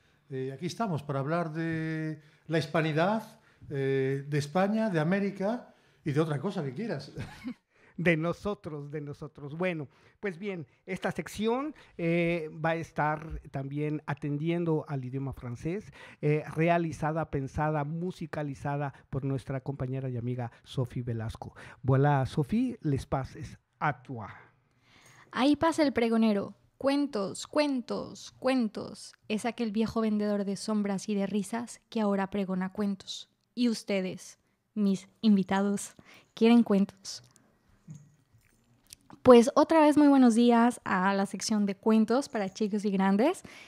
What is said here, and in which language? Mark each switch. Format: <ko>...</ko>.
<es>Aquí estamos para hablar de la hispanidad, de España, de América y de otra cosa que quieras. De nosotros. Bueno, pues bien, esta sección va a estar también atendiendo al idioma francés, realizada, pensada, musicalizada por nuestra compañera y amiga Sophie Velasco.</es> <fr>Voilà, Sophie, l'espace est à toi.</fr> <es>Ahí pasa el pregonero. Cuentos, cuentos, cuentos. Es aquel viejo vendedor de sombras y de risas que ahora pregona cuentos. Y ustedes, mis invitados, ¿quieren cuentos? Pues otra vez muy buenos días a la sección de cuentos para chicos y grandes.</es>